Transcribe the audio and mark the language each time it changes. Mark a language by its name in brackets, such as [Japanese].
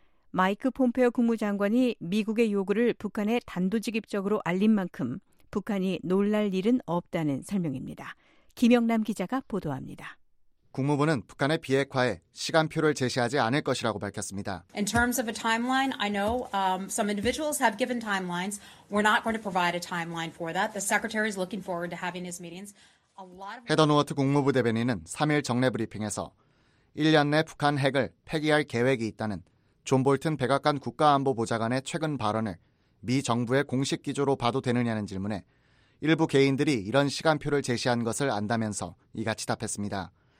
[Korean] 마이크 폼페오 국무장관이 미국의 요구를 북한에 단도직입적으로 알린 만큼 북한이 놀랄 일은 없다는 설명입니다. 김영남 기자가 보도합니다. 국무부는 북한의 비핵화에 시간표를 제시하지 않을 것이라고 밝혔습니다. [English] In terms of a timeline, I know some individuals have given timelines. We're not going to provide a timeline for that. The secretary is looking forward to having his meetings. [Korean] 헤더 노어트 국무부 대변인은 3일 정례 브리핑에서 1년 내 북한 핵을 폐기할 계획이 있다는 존 볼튼 백악관 국가안보보좌관의 최근 발언을 미 정부의 공식 기조로 봐도 되느냐는 질문에 일부 개인들이 이런 시간표를 제시한 것을 안다면서 이같이 답했습니다.